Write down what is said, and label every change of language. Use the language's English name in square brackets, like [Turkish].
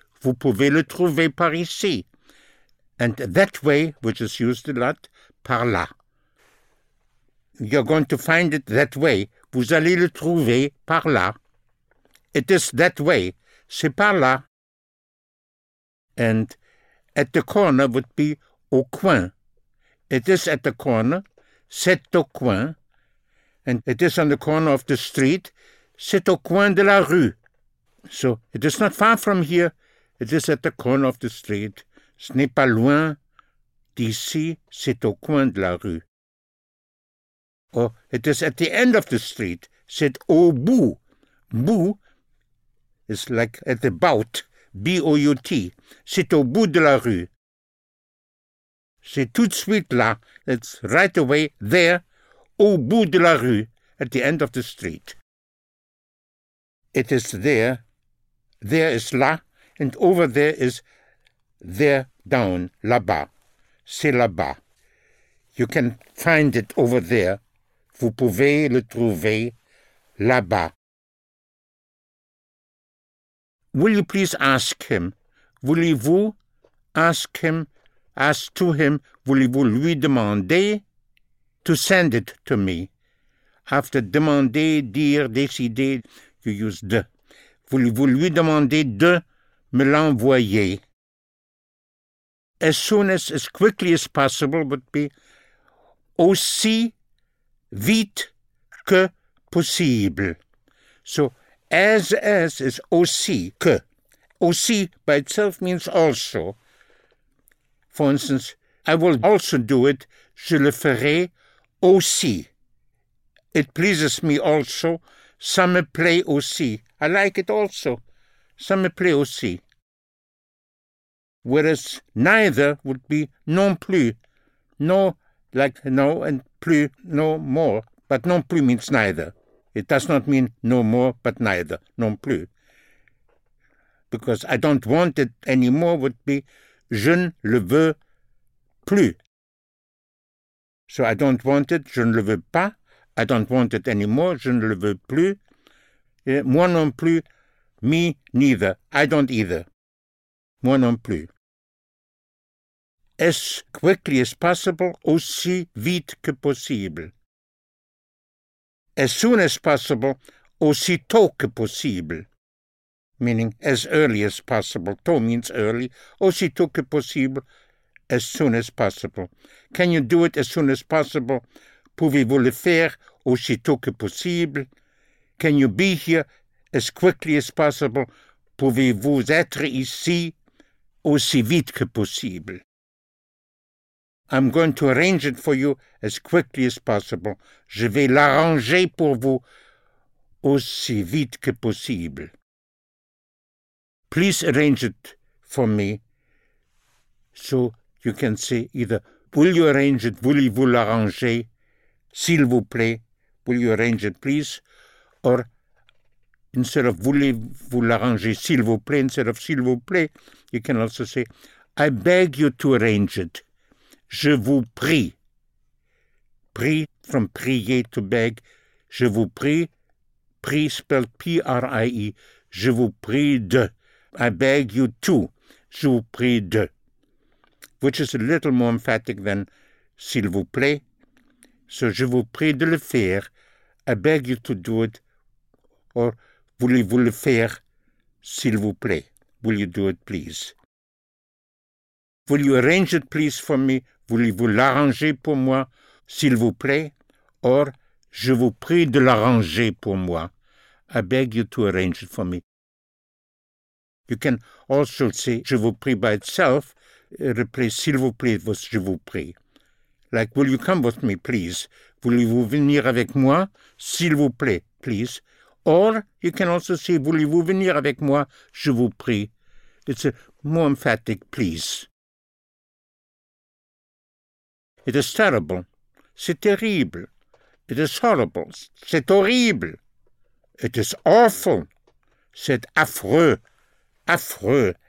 [French] Vous pouvez le trouver par ici. [English] And that way, which is used a lot, [French] par là. [English] You're going to find it that way. [French] Vous allez le trouver par là. [English] It is that way. [French] C'est par là. [English] And at the corner would be [French] au coin. [English] It is at the corner. [French] C'est au coin. [English] And it is on the corner of the street. [French] C'est au coin de la rue. [English] So it is not far from here. It is at the corner of the street. [French] Ce n'est pas loin d'ici. C'est au coin de la rue. [English] Or it is at the end of the street. [French] C'est au bout. [English] Bout is like at the bout. B-O-U-T. [French] C'est au bout de la rue. C'est tout de suite là. [English] It's right away there. [French] Au bout de la rue. [English] At the end of the street. It is there. There is là. And over there is there down. [French] Là-bas. C'est là-bas. [English] You can find it over there. [French] Vous pouvez le trouver là-bas. [English] Will you please ask him? Voulez-vous ask him? Ask to him, [French] voulez-vous lui demander [English] to send it to me? After demander, dire, décider, you use de. [French] Voulez-vous lui demander de me l'envoyer? [English] As soon as quickly as possible would be [French] aussi vite que possible. [English] So, as is aussi que. Aussi by itself means also. For instance, I will also do it, [French] je le ferai aussi. [English] It pleases me also, [French] ça me plaît aussi. [English] I like it also, [French] ça me plaît aussi. [English] Whereas neither would be [French] non plus. [English] No, like no and plus, no more. But [French] non plus [English] means neither. It does not mean no more, but neither, non plus. Because I don't want it anymore would be [French] je ne le veux plus. [English] So I don't want it, [French] je ne le veux pas. [English] I don't want it anymore, [French] je ne le veux plus. Et moi non plus, [English] me neither. I don't either. [French] Moi non plus. [English] As quickly as possible, [French] aussi vite que possible. [English] As soon as possible, [French] aussitôt que possible. [English] Meaning, as early as possible. Tôt means early. [French] Aussitôt que possible, [English] as soon as possible. Can you do it as soon as possible? [French] Pouvez-vous le faire aussitôt que possible? [English] Can you be here as quickly as possible? [French] Pouvez-vous être ici aussi vite que possible? [English] I'm going to arrange it for you as quickly as possible. [French] Je vais l'arranger pour vous aussi vite que possible. [English] Please arrange it for me. So you can say either, will you arrange it, [French] voulez-vous l'arranger, s'il vous plaît, [English] will you arrange it, please? Or instead of [French] voulez-vous l'arranger, s'il vous plaît, [English] instead of [French] s'il vous plaît, [English] you can also say, I beg you to arrange it. [French] Je vous prie. Prie from prier to beg. Je vous prie. Prie spelled P-R-I-E. Je vous prie de. [English] I beg you to. [French] Je vous prie de. [English] Which is a little more emphatic than [French] s'il vous plaît. [English] So [French] je vous prie de le faire. [English] I beg you to do it. [French] Or voulez-vous le faire s'il vous plaît? [English] Will you do it, please? Will you arrange it, please, for me? [French] Voulez-vous l'arranger pour moi, s'il vous plaît? Or, je vous prie de l'arranger pour moi. [English] I beg you to arrange it for me. You can also say, [French] je vous prie [English] by itself, replace, [French] s'il vous plaît, je vous prie. [English] Like, will you come with me, please? [French] Voulez-vous venir avec moi, s'il vous plaît, [English] please? Or you can also say, [French] voulez-vous venir avec moi, je vous prie. [English] It's a more emphatic please. It is terrible. [French] C'est terrible. [English] It is horrible. [French] C'est horrible. [English] It is awful. [French] C'est affreux. Affreux.